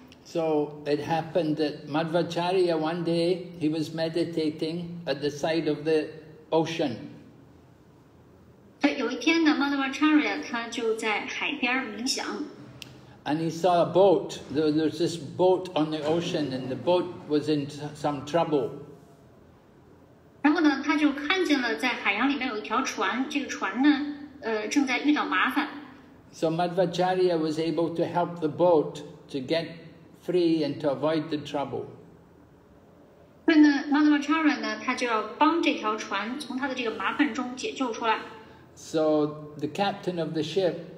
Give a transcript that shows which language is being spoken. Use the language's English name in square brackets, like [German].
[English] So it happened that Madhvacharya one day he was meditating at the side of the ocean. [Chinese] 所以有一天呢 ，Madhvacharya 他就在海边冥想。 [English] And he saw a boat. There was this boat on the ocean, and the boat was in some trouble. [Chinese] 然后呢，他就看见了在海洋里面有一条船。这个船呢，正在遇到麻烦。 [English] So Madhvacharya was able to help the boat to get free and to avoid the trouble. [Chinese] 所以呢 ，Madhvacharya 呢，他就要帮这条船从他的这个麻烦中解救出来。 [English] So the captain of the ship.